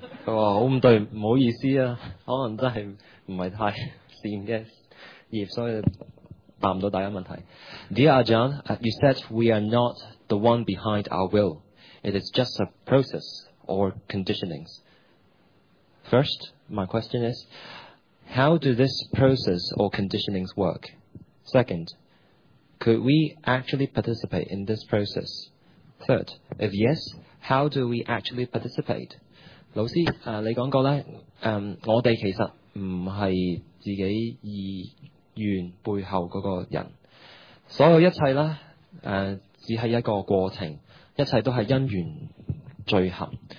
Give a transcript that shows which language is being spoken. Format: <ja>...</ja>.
<yue>佢話好唔對，唔好意思啊，可能真係唔係太善嘅業，所以。</yue> <en>Dear Ajahn, you said we are not the one behind our will. It is just a process or conditionings. First, my question is, how do this process or conditionings work? Second, could we actually participate in this process? Third, if yes, how do we actually participate?</en> <yue>老師，你講過咧，我哋其實唔係自己意。源背后嗰个人，所有一切咧，只系一个过程，一切都系因缘聚合。</yue>